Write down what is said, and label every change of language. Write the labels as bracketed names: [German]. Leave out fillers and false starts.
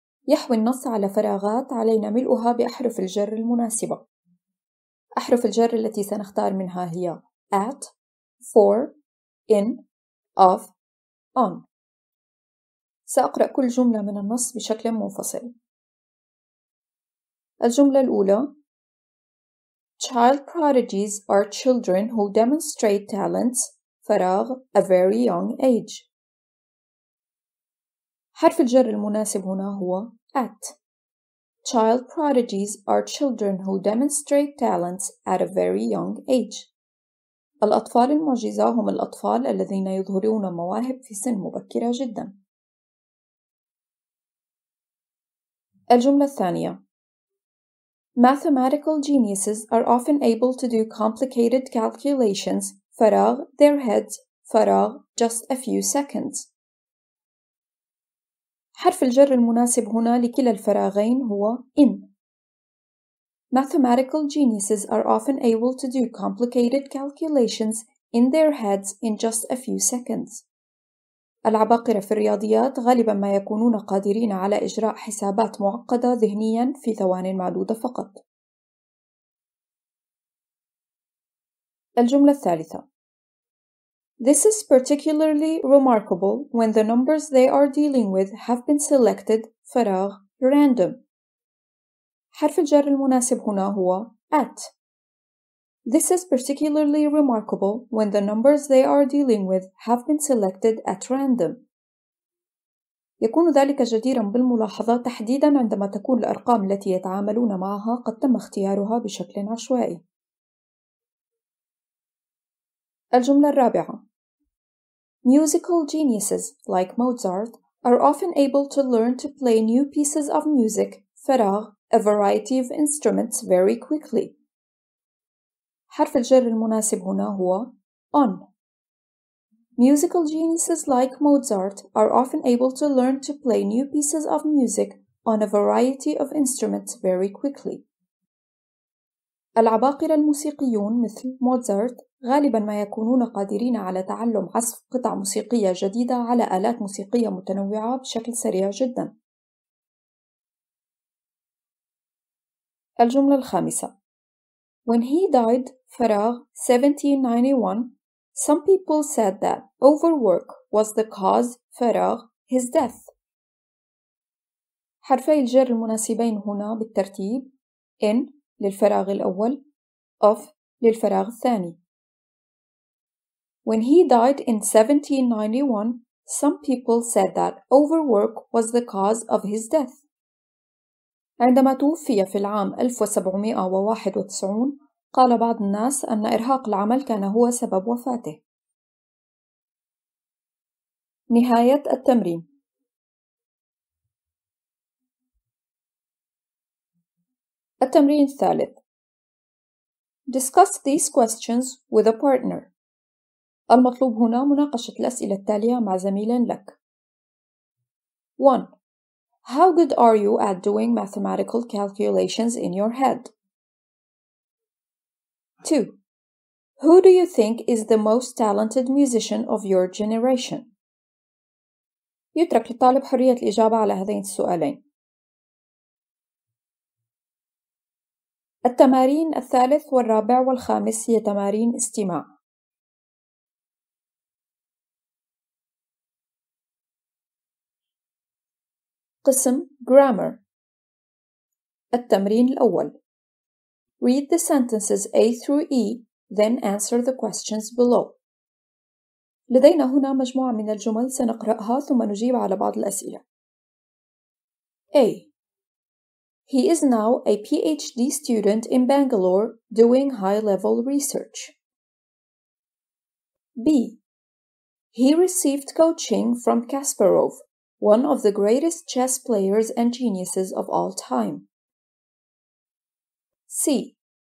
[Arabic] يحوي النص على فراغات علينا ملؤها بأحرف الجر المناسبة. أحرف الجر التي سنختار منها هي at, for, in, of, on. سأقرأ كل جملة من النص بشكل منفصل. الجملة الأولى. [English] Child prodigies are children who demonstrate talents فراغ a very young age. [Arabic] حرف الجر المناسب هنا هو at. [English] Child prodigies are children who demonstrate talents at a very young age. [Arabic] الأطفال المعجزة هم الأطفال الذين يظهرون مواهب في سن مبكرة جدا. الجملة الثانية. [English] Mathematical geniuses are often able to do complicated calculations فراغ their heads فراغ just a few seconds. [Arabic] حرف الجر المناسب هنا لكلا الفراغين هو in. [English] Mathematical geniuses are often able to do complicated calculations in their heads in just a few seconds. [Arabic] العباقرة في الرياضيات غالباً ما يكونون قادرين على إجراء حسابات معقدة ذهنياً في ثواني معدودة فقط. الجملة الثالثة. [English] This is particularly remarkable when the numbers they are dealing with have been selected فراغ random. [Arabic] حرف الجر المناسب هنا هو [English] at. This is particularly remarkable when the numbers they are dealing with have been selected at random. [Arabic] يكون ذلك جديراً بالملاحظة تحديداً عندما تكون الأرقام التي يتعاملون معها قد تم اختيارها بشكل عشوائي. الجملة الرابعة: [English] Musical geniuses like Mozart are often able to learn to play new pieces of music, فراغ, a variety of instruments very quickly. [Arabic] حرف الجر المناسب هنا هو on. [English] Musical geniuses like Mozart are often able to learn to play new pieces of music on a variety of instruments very quickly. [Arabic] العباقرة الموسيقيون مثل موزارت غالباً ما يكونون قادرين على تعلم عزف قطع موسيقية جديدة على آلات موسيقية متنوعة بشكل سريع جداً. الجملة الخامسة: [English] When he died, فراغ, 1791, some people said that overwork was the cause, فراغ, his death. [Arabic] حرفي الجر المناسبين هنا بالترتيب in للفراغ الأول of للفراغ الثاني. [English] When he died in 1791, some people said that overwork was the cause of his death. [Arabic] عندما توفي في العام 1791 قال بعض الناس أن إرهاق العمل كان هو سبب وفاته. نهاية التمرين. التمرين الثالث: [English] Discuss these questions with a partner. [Arabic] المطلوب هنا مناقشة الأسئلة التالية مع زميل لك. [English] 1. How good are you at doing mathematical calculations in your head? 2. Who do you think is the most talented musician of your generation? [Arabic] يترك للطالب حرية الإجابة على هذين السؤالين. التمارين الثالث والرابع والخامس هي تمارين استماع. قسم Grammar. التمرين الأول: [English] Read the sentences A through E, then answer the questions below. [Arabic] لدينا هنا مجموعة من الجمل سنقرأها ثم نجيب على بعض الأسئلة. [English] A. He is now a PhD student in Bangalore doing high-level research. B. He received coaching from Kasparov, one of the greatest chess players and geniuses of all time. C.